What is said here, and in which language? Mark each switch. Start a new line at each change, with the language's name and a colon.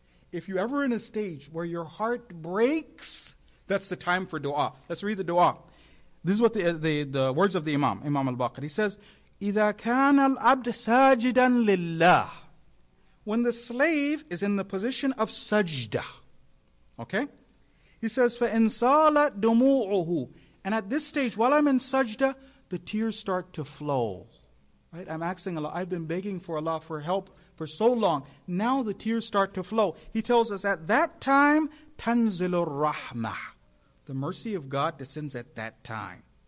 English: If you're ever in a stage where your heart breaks, that's the time for dua. Let's read the dua. This is what the words of the Imam, Imam al-Baqir. He says,
Arabic: إِذَا كَانَ الْعَبْدِ سَاجِدًا لِلَّهِ.
English: When the slave is in the position of sajda, okay? He says,
Arabic: فَإِنْ صَالَتْ دُمُوعُهُ.
English: And at this stage, while I'm in sajda, the tears start to flow. Right? I'm asking Allah. I've been begging for Allah for help for so long. Now the tears start to flow. He tells us at that time,
Arabic: تَنْزِلُ الرَّحْمَةِ.
English: The mercy of God descends at that time.